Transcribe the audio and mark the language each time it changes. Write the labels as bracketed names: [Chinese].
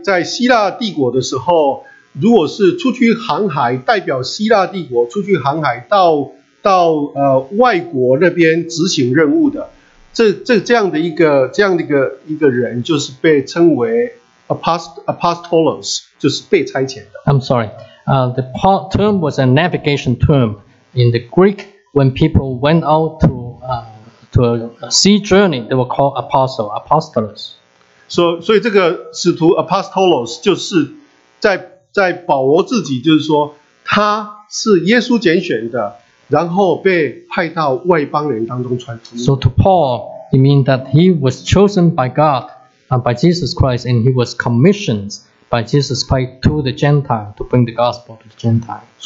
[Chinese] 在希腊帝国的时候, 如果是出去航海, 代表希腊帝国, 出去航海, 到, 外国那边执行任务的, 这样的一个人就是被称为 apostolos, 就是被差遣的。 [English] I'm sorry, the term was a navigation term in the Greek. When people went out to a sea journey, they were called apostle, apostolos. [Chinese] 所以这个使徒 apostolos 就是在保罗自己就是说他是耶稣拣选的，然后被派到外邦人当中传福音。 [English] So to Paul, it means that he was chosen by God, by Jesus Christ, and he was commissioned by Jesus Christ to the Gentile, to bring the gospel to the Gentile.